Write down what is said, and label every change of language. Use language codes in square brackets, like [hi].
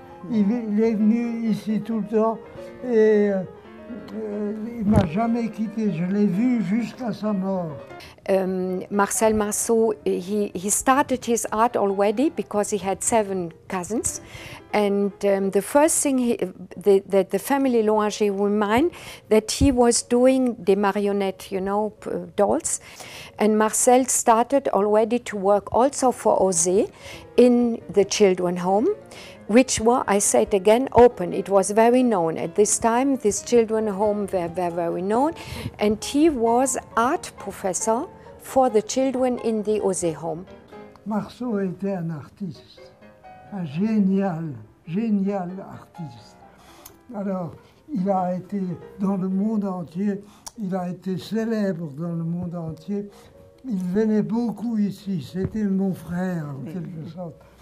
[fr] Il est venu ici tout le temps et il ne m'a jamais quitté. Je l'ai vu jusqu'à sa mort. [en] Marcel Marceau, he started his art already because he had seven cousins. And the first thing the family Loinger remind that he was doing the marionette, you know, dolls. And Marcel started already to work also for Ose in the children's home, which were, I said again, open. It was very known. At this time, this children's home were very known. And he was art professor for the children in the Ose home. [fr] Marceau était un artiste, un génial, génial artiste. Alors, il a été dans le monde entier, il a été célèbre dans le monde entier. Il venait beaucoup ici, c'était mon frère, en quelque sorte.